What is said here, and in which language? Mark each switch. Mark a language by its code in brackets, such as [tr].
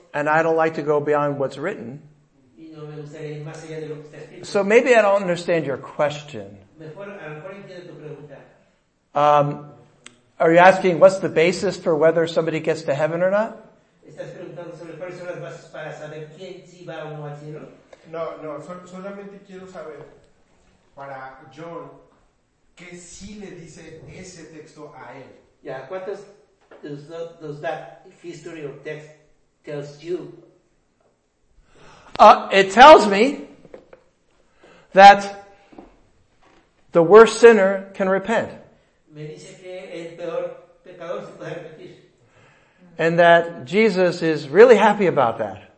[en] And I don't like to go beyond what's written. [es] Y no me gustaría ir más allá de lo que está escrito. [en] So maybe I don't understand your question. [es] Mejor, a lo mejor entiendo tu pregunta. [en] Are you asking what's the basis for whether somebody gets to heaven or not? [es] ¿Estás preguntando sobre cuáles son las bases para saber quién sí va o no al cielo? No, solamente quiero saber para John qué sí le dice ese texto a él. [en] Yeah, what does that history or text tells you? It tells me that the worst sinner can repent. [es] Me dice que el peor pecador se puede arrepentir. [en] And that Jesus is really happy about that.